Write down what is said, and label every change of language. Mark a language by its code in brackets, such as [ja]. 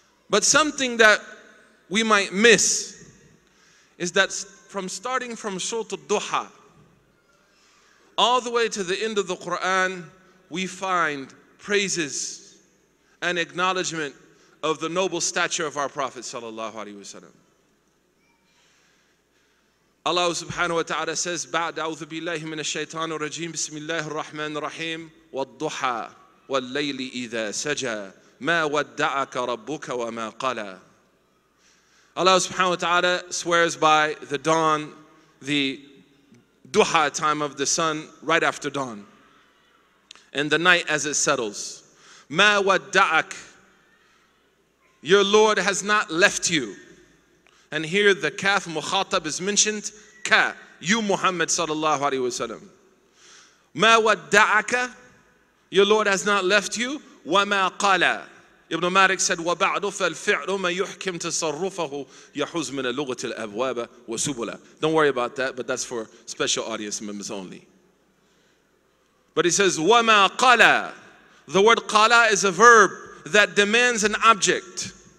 [en] But something that we might miss is that from starting from Surah Al-Duha all the way to the end of the Quran, we find praises and acknowledgement of the noble stature of our Prophet sallallahu alaihi wasallam. Allah subhanahu wa ta'ala says, [ar] بعد أعوذ بالله من الشيطان الرجيم بسم الله الرحمن الرحيم والضحى والليل إذا سجى ما ودعك ربك وما قلى. [en] Allah subhanahu wa ta'ala swears by the dawn, the duha time of the sun right after dawn, and the night as it settles. Ma wadda'ak, your Lord has not left you. And here the kaf mukhatab is mentioned, ka, you Muhammad sallallahu alayhi wa sallam. Ma wadda'aka, your Lord has not left you. [ar] Wa ma qala. [en] Ibn Malik said, [ar] وَبَعْدُ فَالْفِعْلُ مَا يُحْكِمْ تَصَرُّفَهُ يَحُزْ مِنَ لُغَةِ الْأَبْوَابَ وَسُبُلَ. [en] Don't worry about that, but that's for special audience members only. But he says, [ar] وَمَا قَلَى. [en] The word qala is a verb that demands an object.